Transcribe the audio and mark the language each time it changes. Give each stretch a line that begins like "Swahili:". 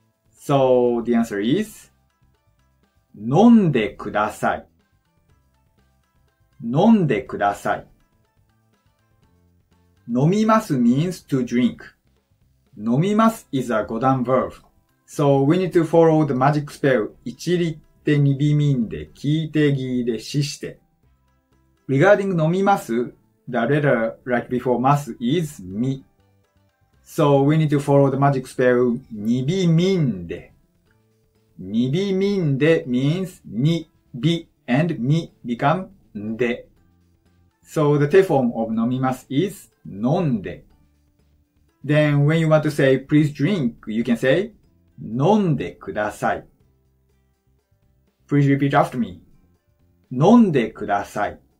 English: So the answer is
Japanese: 飲んでください。飲んでください。
English: 飲みます means to drink. 飲みます is a 五段 verb. So we need to follow the magic spell
Japanese: 一リッで、にびみんで、きいてぎで、しして。
English: Regarding 飲みます、the letter right before ます is み。 So we need to follow the magic spell にびみんで。にびみんで means に、び and み become んで。 So the te form of 飲みます is 飲んで。 Then when you want to say please drink, you can say
Japanese: 飲んでください。
English: Please repeat after me.
Japanese: 飲んでください。